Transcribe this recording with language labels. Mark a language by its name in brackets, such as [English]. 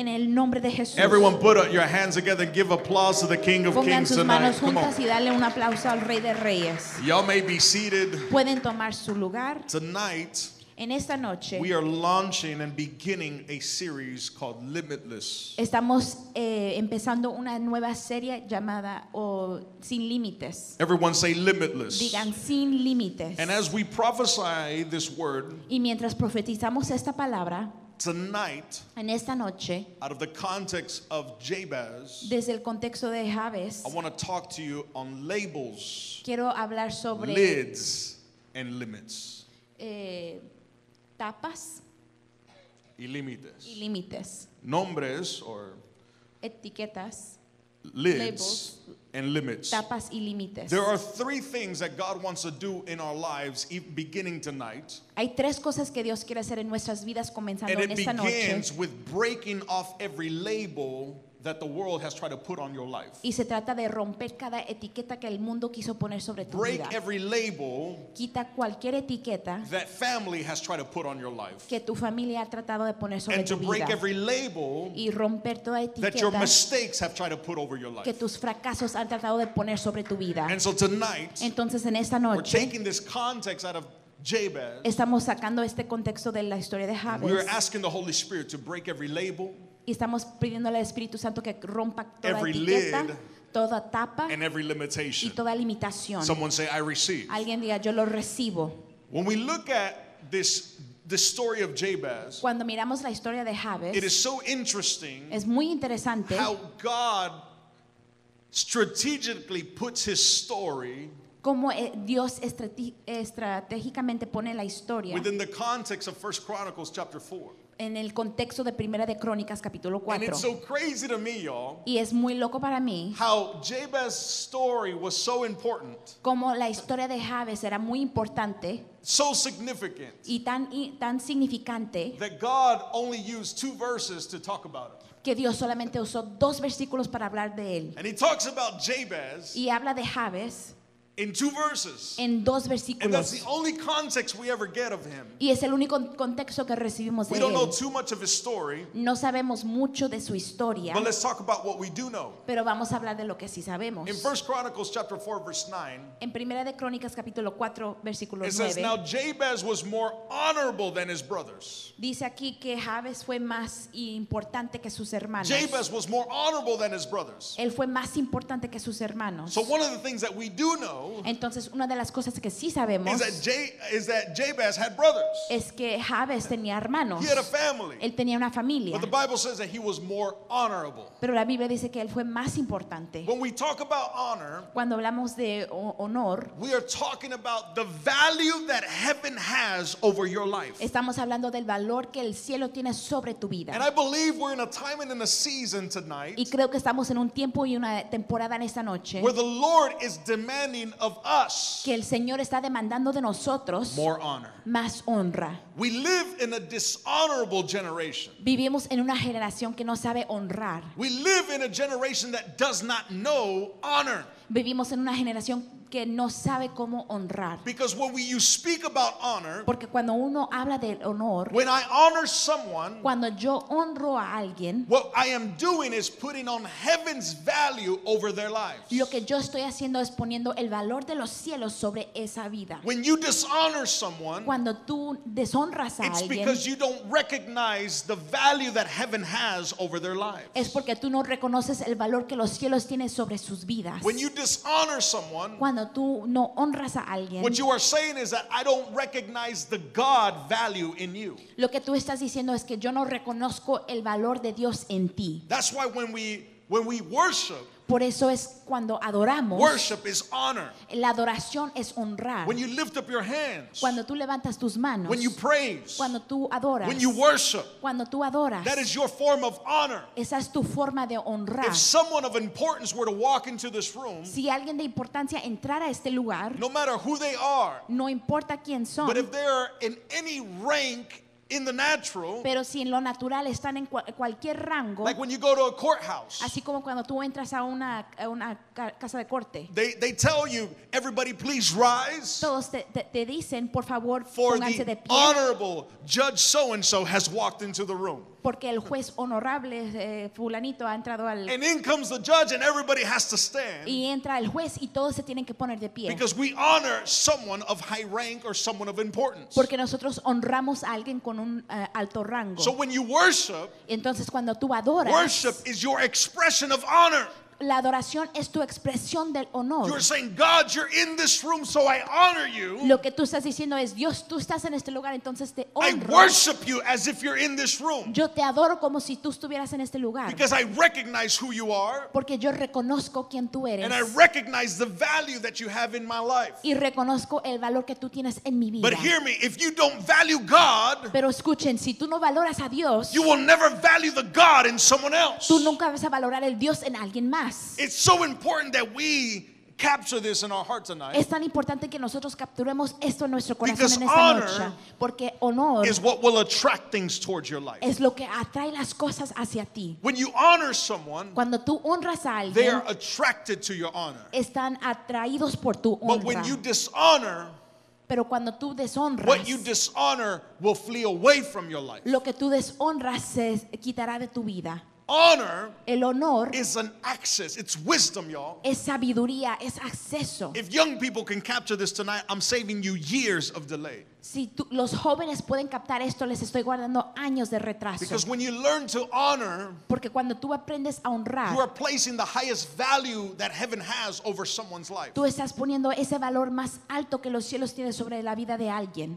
[Spanish] En el nombre de Jesús. [English] Everyone, put your hands together and give applause to the King of [Spanish] Pongan [English] Kings [Spanish] sus manos [English] tonight. [Spanish] Juntas y dale un aplauso al Rey de Reyes. [English] Y'all may be seated. [Spanish] Pueden tomar su lugar. [English] Tonight. [Spanish] En esta noche, [English] we are launching and beginning a series called Limitless. [Spanish] Estamos empezando una nueva serie llamada Sin Límites. [English] Everyone say Limitless. [Spanish] Digan sin límites. [English] And as we prophesy this word, [Spanish] y mientras profetizamos esta palabra, [English] tonight, [Spanish] en esta noche, [English] out of the context of Jabez, [Spanish] desde el contexto de Jabez, [English] I want to talk to you on labels, [Spanish] quiero hablar sobre [English] lids and limits. [Spanish] Tapas y límites. Y límites. Nombres or etiquetas. [English] Lids, labels, and limits. [Spanish] Tapas y límites. [English] There are three things that God wants to do in our lives beginning tonight. [Spanish] Hay tres cosas que Dios quiere hacer en nuestras vidas comenzando [English] and [Spanish] en esta noche. [English] It begins with breaking off every label that the world has tried to put on your life. [Spanish] Y se trata de romper cada etiqueta que el mundo quiso poner sobre tu [English] break [Spanish] vida. [English] Break every label. [Spanish] Quita cualquier etiqueta [English] that family has tried to put on your life. [Spanish] Que tu familia ha tratado de poner sobre [English] and [Spanish] tu vida. [English] And to break every label [Spanish] y romper toda etiqueta [English] that your mistakes have tried to put over your life. [Spanish] Que tus fracasos han tratado de poner sobre tu vida. [English] And so tonight, [Spanish] entonces en esta noche, [English] we're taking this context out of Jabez. [Spanish] Estamos sacando este contexto de la historia de Jabez. [English] We're asking the Holy Spirit to break every label. [Spanish] Y estamos pidiéndole al Espíritu Santo que rompa toda etiqueta, toda tapa y toda limitación. [English] Someone say, I receive. [Spanish] Alguien diga, yo lo recibo. [English] When we look at this story of Jabez, [Spanish] cuando miramos la historia de Jabez, [English] it is so interesting, [Spanish] es muy interesante [English] how God strategically puts his story, [Spanish] como Dios estratégicamente pone la historia [English] within the context of 1 Chronicles chapter 4. [Spanish] En el contexto de Primera de Crónicas capítulo 4. [English] And it's so crazy to me, y'all. [Spanish] Y es muy loco para mí. [English] How Jabez's story was so important. [Spanish] Como la historia de Jabez era muy importante. [English] So significant. [Spanish] Y tan significante. [English] That God only used two verses to talk about it. [Spanish] Que Dios solamente usó dos versículos para hablar de él. [English] And he talks about Jabez. [Spanish] Y habla de Jabez. [English] In two verses. [Spanish] En dos versículos. [English] And that's the only context we ever get of him. [Spanish] Y es el único contexto que recibimos de él. [English] We don't know too much of his story. [Spanish] No sabemos mucho de su historia. [English] But let's talk about what we do know. [Spanish] Pero vamos a hablar de lo que sí sabemos. [English] In 1 Chronicles chapter 4 verse 9. [Spanish] En Primera de Crónicas capítulo 4 versículo 9. [English] It says, now Jabez was more honorable than his brothers. [Spanish] Dice aquí que Jabez fue más importante que sus hermanos. [English] Jabez was more honorable than his brothers. [Spanish] Él fue más importante que sus hermanos. [English] So one of the things that we do know. [Spanish] Entonces, una de las cosas que sí sabemos [English] is that Jabez had brothers. [Spanish] Es que Jabez tenía hermanos. [English] He had a family. [Spanish] Él tenía una familia. [English] But the Bible says that he was more honorable. [Spanish] Pero la Biblia dice que él fue más importante. [English] When we talk about honor, [Spanish] cuando hablamos de honor, [English] we are talking about the value that heaven has over your life. [Spanish] Estamos hablando del valor que el cielo tiene sobre tu vida. [English] And I believe we're in a time and in a season tonight. [Spanish] Y creo que estamos en un tiempo y una temporada en esta noche. [English] Where the Lord is demanding of us, [Spanish] que el Señor está demandando de nosotros [English] more honor, [Spanish] más honra. [English] We live in a dishonorable generation. [Spanish] Vivimos en una generación que no sabe honrar. [English] We live in a generation that does not know honor. [Spanish] Vivimos en una generación que no sabe cómo honrar. [English] Because when you speak about honor, [Spanish] porque cuando uno habla del honor, [English] when I honor someone, [Spanish] cuando yo honro a alguien, [English] what I am doing is putting on heaven's value over their lives. [Spanish] Lo que yo estoy haciendo es poniendo el valor de los cielos sobre esa vida. [English] When you dishonor someone, [Spanish] cuando tú deshonras a alguien, [English] it's because you don't recognize the value that heaven has over their lives. [Spanish] Es porque tú no reconoces el valor que los cielos tienen sobre sus vidas. [English] When you dishonor someone, [Spanish] cuando tú no honras a alguien, [English] what you are saying is that I don't recognize the God value in you. [Spanish] Lo que tú estás diciendo es que yo no reconozco el valor de Dios en ti. [English] That's why when we worship, [Spanish] por eso es cuando adoramos. [English] Worship is honor. [Spanish] La adoración es honrar. [English] When you lift up your hands, [Spanish] cuando tú levantas tus manos. [English] When you praise, [Spanish] cuando tú adoras. [English] When you worship, [Spanish] cuando tú adoras. [English] That is your form of honor. [Spanish] Esa es tu forma de honrar. [English] If someone of importance were to walk into this room, [Spanish] si alguien de importancia entrara a este lugar, [English] no matter who they are, [Spanish] no importa quién son, [English] but if they are in any rank in the natural, [Spanish] pero si en lo natural están en cualquier rango, [English] like when you go to a courthouse, [Spanish] así como cuando tú entras a una casa de corte, [English] they tell you, everybody please rise, [Spanish] todos te dicen por favor, [English] for [Spanish] pónganse [English] the [Spanish] de pie, [English] honorable judge so and so has walked into the room. [Spanish] Porque el juez honorable fulanito ha entrado al. [English] And in comes the judge and everybody has to stand. [Spanish] Y entra el juez y todos se tienen que poner de pie. [English] Because we honor someone of high rank or someone of importance. [Spanish] Porque nosotros honramos a alguien con un alto rango. [English] So when you worship, [Spanish] entonces cuando tú adoras, [English] worship is your expression of honor. [Spanish] La adoración es tu expresión del honor. [English] You're saying, God, you're in this room, so I honor you. [Spanish] Lo que tú estás diciendo es, Dios, tú estás en este lugar, entonces te honro. [English] I worship you as if you're in this room. [Spanish] Yo te adoro como si tú estuvieras en este lugar. [English] Because I recognize who you are. [Spanish] Porque yo reconozco quién tú eres. [English] And I recognize the value that you have in my life. [Spanish] Y reconozco el valor que tú tienes en mi vida. [English] But hear me, if you don't value God, [Spanish] pero escuchen, si tú no valoras a Dios, [English] you will never value the God in someone else. [Spanish] Tú nunca vas a valorar el Dios en alguien más. [English] It's so important that we capture this in our heart tonight. [Spanish] Es tan importante que nosotros capturemos esto en nuestro corazón [English] because [Spanish] en esta [English] honor [Spanish] noche, porque honor [English] is what will attract things towards your life. [Spanish] Es lo que atrae las cosas hacia ti. [English] When you honor someone, [Spanish] cuando tú honras a alguien, [English] they are attracted to your honor. [Spanish] Están atraídos por tu honra. [English] But when you dishonor, [Spanish] pero cuando tú deshonras, [English] what you dishonor will flee away from your life. [Spanish] Lo que tú deshonras se quitará de tu vida. [English] Honor, [Spanish] el honor [English] is an access. It's wisdom, y'all. [Spanish] Es sabiduría, es acceso. [English] If young people can capture this tonight, I'm saving you years of delay. [Spanish] Si tú, los jóvenes pueden captar esto, les estoy guardando años de retraso. [English] Because when you learn to honor, [Spanish] porque cuando tú aprendes a honrar, [English] you are placing the highest value that heaven has over someone's life. [Spanish] Tú estás poniendo ese valor más alto que los cielos tienen sobre la vida de alguien.